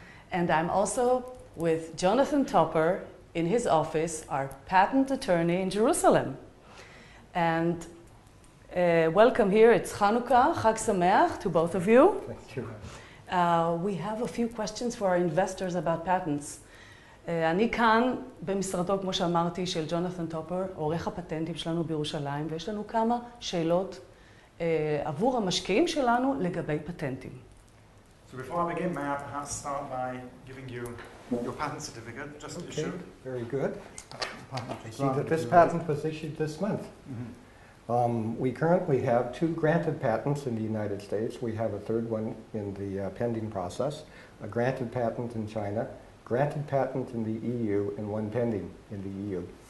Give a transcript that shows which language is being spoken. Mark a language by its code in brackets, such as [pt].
[en] And I'm also with Jonathan Topper in his office, our patent attorney in Jerusalem. And welcome here. It's Chanukah, Chag Sameach to both of you. Thank you. We have a few questions for our investors about patents. [he] אני כאן במשרדו, כמו שאמרתי, של ג'ונתן טופר, עורך הפטנטים שלנו בירושלים, ויש לנו כמה שאלות עבור המשקיעים שלנו לגבי פטנטים. [en] So before I begin, may I perhaps start by giving you your patent certificate, just okay. Issued. Very good. See that this patent was issued this month. Mm-hmm. We currently have two granted patents in the United States. We have a third one in the pending process, a granted patent in China, granted patent in the EU, and one pending in the EU.